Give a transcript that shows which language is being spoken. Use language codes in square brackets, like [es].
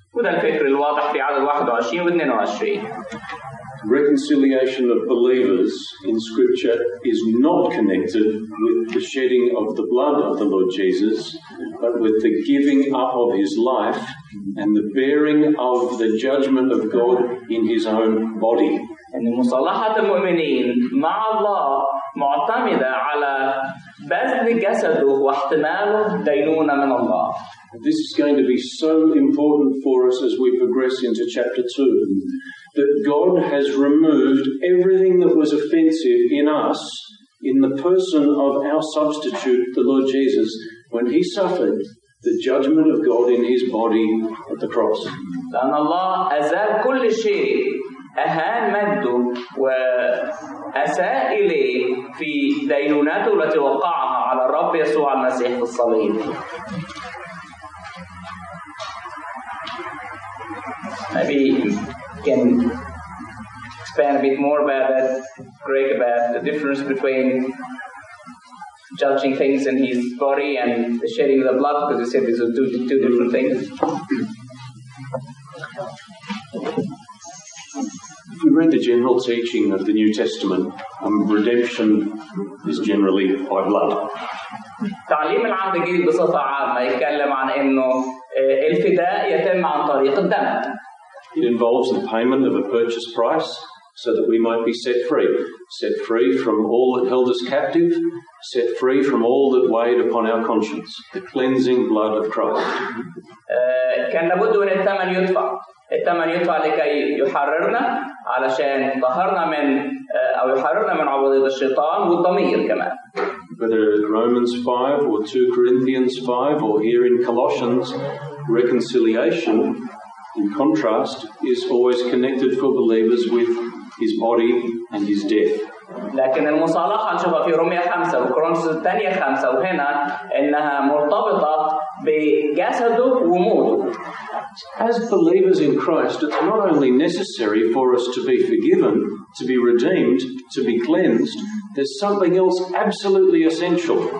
[ar] وده الفكر الواضح في عدد 21 و 22. [en] Reconciliation of believers in Scripture is not connected with the shedding of the blood of the Lord Jesus, but with the giving up of his life and the bearing of the judgment of God in his own body. [ar] أن مصالحة المؤمنين مع الله معتمدة على بذل جسده واحتماله دينونة من الله. [en] This is going to be so important for us as we progress into chapter 2, that God has removed everything that was offensive in us in the person of our substitute, the Lord Jesus, when he suffered the judgment of God in his body at the cross. [ar] لأن الله أزال كل شيء أهان مده وأساء إليه في دينوناته التي وقعها على الرب يسوع المسيح في الصليب. [en] Maybe you can expand a bit more about that, Greg, about the difference between judging things in his body and the shedding of the blood, because you said these are two different things. If we read the general teaching of the New Testament, redemption is generally by blood. [ar] تعليم العهد الجديد بصفة عامة يتكلم عن إنه الفداء يتم عن طريق الدم. [en] It involves the payment of a purchase price so that we might be set free from all that held us captive, set free from all that weighed upon our conscience, the cleansing blood of Christ. [ar] كان لابد من الثمن يدفع. الثمن يدفع لكي يحررنا علشان ظهرنا من أو يحررنا من عبودية الشيطان والضمير كمان. [en] Whether Romans 5 or 2 Corinthians 5 or here in Colossians, reconciliation, in contrast, is always connected for believers with his body and his death. [ar] لكن المصالحة نشوفها في رومية 5 وكورنثوس الثانية 5 وهنا إنها مرتبطة بجسده وموته. [en] As believers in Christ, it's not only necessary for us to be forgiven, to be redeemed, to be cleansed, there's something else absolutely essential.